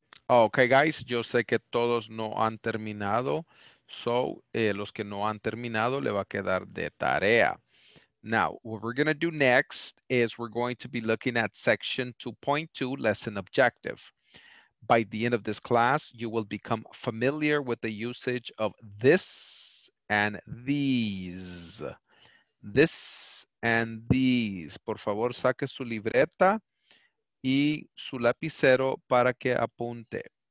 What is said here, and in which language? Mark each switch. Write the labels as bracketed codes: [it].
[en] Okay, guys, [es] yo sé que todos no han terminado. So, los que no han terminado, le va a quedar de tarea. [en] Now, what we're going to do next is we're going to be looking at section 2.2, lesson objective. By the end of this class, you will become familiar with the usage of this and these. This and these. [es] Por favor, saque su libreta y su lapicero para que apunte.